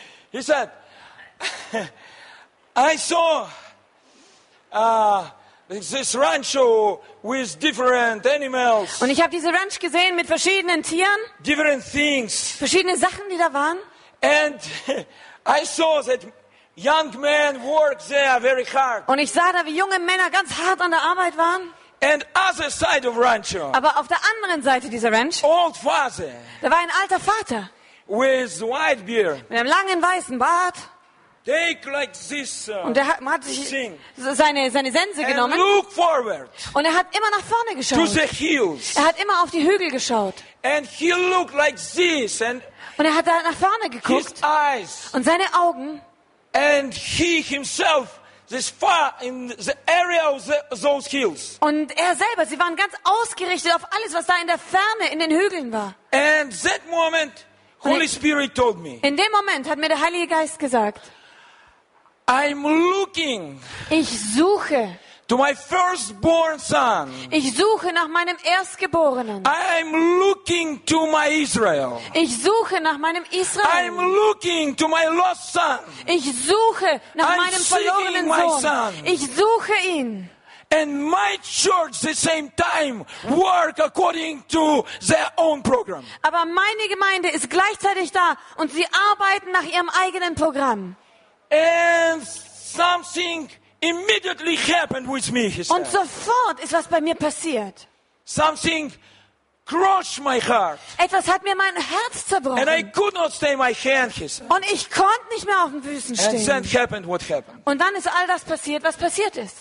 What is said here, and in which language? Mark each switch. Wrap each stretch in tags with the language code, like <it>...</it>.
<en>He said, I saw this rancho with different animals.</en> <de>Und ich habe diese Ranch gesehen mit verschiedenen Tieren.</de> <en>Different things.</en> <de>Verschiedene Sachen, die da waren.</de> <en>And I saw that young men worked there very hard.</en> <de>Und ich sah da, wie junge Männer ganz hart an der Arbeit waren.</de> <en>And other side of rancho.</en> <de>Aber auf der anderen Seite dieser Ranch.</de> <en>Old father.</en> <de>Da war ein alter Vater.</de> <en>With white beard.</en> <de>Mit einem langen weißen Bart.</de> <en>Take like this,</en> <de>und er hat sich seine Sense genommen</de> <en>look forward</en> <de>und er hat immer nach vorne geschaut.</de> <en>To the hills.</en> <de>Er hat immer auf die Hügel geschaut.</de> <en>And he looked like this, and</en> <de>und er hat da nach vorne geguckt.</de> <en>His eyes.</en> <de>Und seine Augen.</de> <en>And he himself, this far in the area of those hills.</en> <de>Und er selber, sie waren ganz ausgerichtet auf alles, was da in der Ferne in den Hügeln war.</de> <en>And that moment, Holy Spirit told me.</en> <de>In dem Moment hat mir der Heilige Geist gesagt,</de> <en>I'm looking.</en> <de>Ich suche.</de> <en>To my firstborn son.</en> <de>Ich suche nach meinem Erstgeborenen.</de> <en>I'm looking to my Israel.</en> <de>Ich suche nach meinem Israel.</de> <en>I'm looking to my lost son.</en> <de>Ich suche nach</de> <en>I'm</en> <de>meinem verlorenen</de> <en>my</en> <de>Sohn.</de> <en>Son.</en> <de>Ich suche ihn.</de> <en>And my church the same time work according to their own program.</en> <de>Aber meine Gemeinde ist gleichzeitig da und sie arbeiten nach ihrem eigenen Programm.</de> <en>And something immediately happened with me, he said.</en> <de>Und sofort ist was bei mir passiert.</de> <en>Something crushed my heart.</en> <de>Etwas hat mir mein Herz zerbrochen.</de> <en>And I could not stay my hand, he said.</en> <de>Und ich konnte nicht mehr auf den Füßen stehen.</de> <en>And then happened what happened.</en> <de>Und dann ist all das passiert, was passiert ist.</de>